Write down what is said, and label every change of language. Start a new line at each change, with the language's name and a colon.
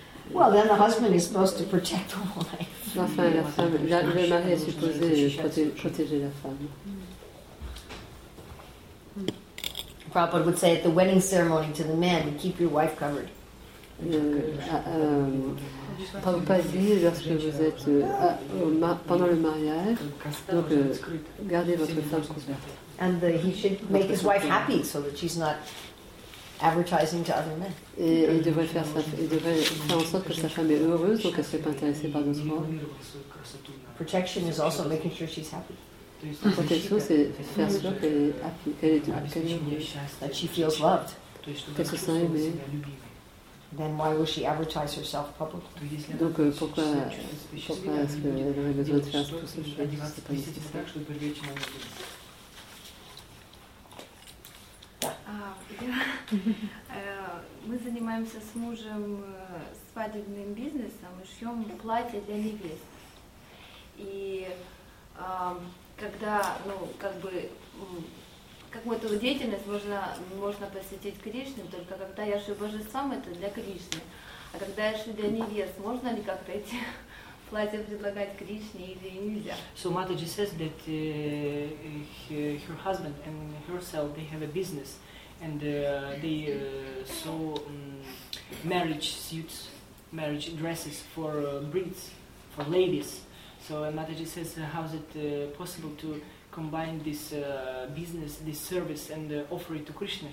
English: Well, then the husband is supposed to protect the wife.
French: Enfin, la femme, le mari est supposé protéger la femme.
English: Prabhupada would say at the wedding ceremony to the men, keep your wife covered.
French: Prabhupada dit lorsque vous êtes pendant le mariage, donc gardez votre femme couverte.
English: And he should make his wife happy so that she's not advertising to other men.
French: Et il devrait faire ça, il devrait faire en sorte que sa femme est heureuse, donc elle ne soit pas intéressée par d'autres hommes.
English: Protection is also making sure she's happy.
French: Protection, c'est faire sûr qu'elle est heureuse.
English: That she feels loved.
French: Qu'elle se sent aimée.
English: Then why will she advertise herself publicly?
French: Donc pourquoi est-ce qu'elle aurait besoin de faire tout ce chose?
Russian: Мы занимаемся с мужем свадебным бизнесом и шьем платье для невест. И когда, ну, как бы. Как мы эту деятельность можно посвятить Кришне, только когда я шью божествам, это для Кришны. А когда я шью для невест, можно ли как-то эти платья предлагать Кришне или нельзя?
English: So Mataji says that her husband and herself, they have a business, and they sew marriage suits, marriage dresses for brides, for ladies. So Mataji says, how is it possible to combine this business, this service, and offer it to Krishna.